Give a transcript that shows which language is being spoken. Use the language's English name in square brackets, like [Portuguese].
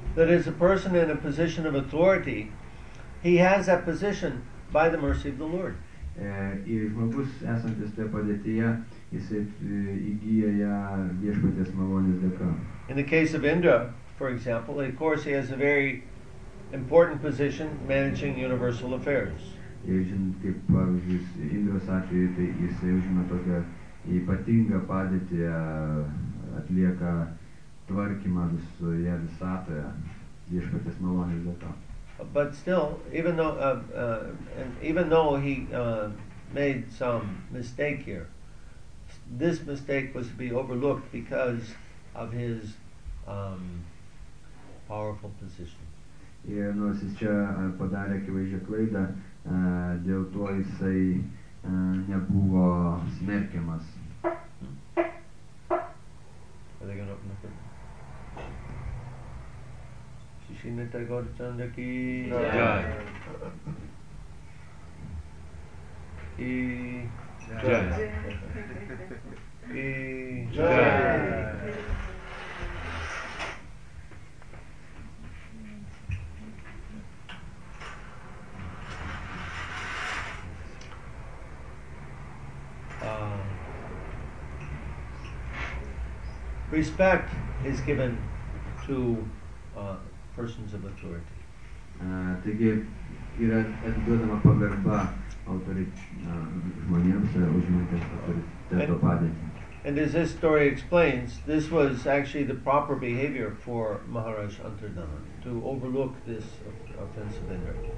[English] That is, a person in a position of authority, he has that position by the mercy of the Lord. [Lithuanian] Ir žmogus esantis toje padėtyje, jis įgyja ją viešpaties malonės dėka. [English] In the case of Indra, for example, of course he has a very important position managing universal affairs. [Lithuanian] Kaip pavyzdžiui, Indros atveju, tai jis užima tokią ypatingą padėtį, atlieka tvarkymą visoje visatoje, viešpaties malonės dėka. [English] But still, even though he made some mistake here, this mistake was to be overlooked because of his powerful position. [Lithuanian] Ir nors jis čia padarė akivaizdžią klaidą, dėl to jisai nebuvo smerkiamas. [English] Are they gonna open it? Shishina Tagore Chandaki Jai E Jai E Jai. Respect is given to persons of authority. [Lithuanian] Taigi yra atiduodama pagarba žmonėms užimantiems autoriteto padėtį. [English] And as this story explains, this was actually the proper behavior for Maharaj Antardhana, to overlook this offensive Indra.